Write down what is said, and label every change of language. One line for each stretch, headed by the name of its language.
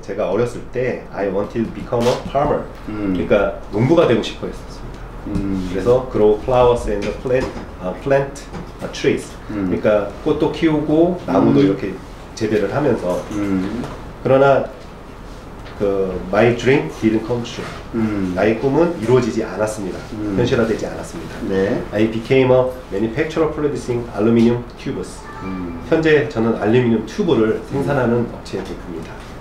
Korean: 제가 어렸을 때
English: I wanted to become a farmer.
Korean: 그러니까 농부가 되고 싶어 했었습니다.
English: 그래서 grow flowers and the plant a trees.
Korean: 그러니까 꽃도 키우고 나무도 이렇게 재배를 하면서 그러나 그
English: my dream didn't come true.
Korean: 나의 꿈은 이루어지지 않았습니다. 현실화되지 않았습니다. 네.
English: I became a manufacturer producing aluminum tubes.
Korean: 현재 저는 알루미늄 튜브를 생산하는 업체에 대표입니다.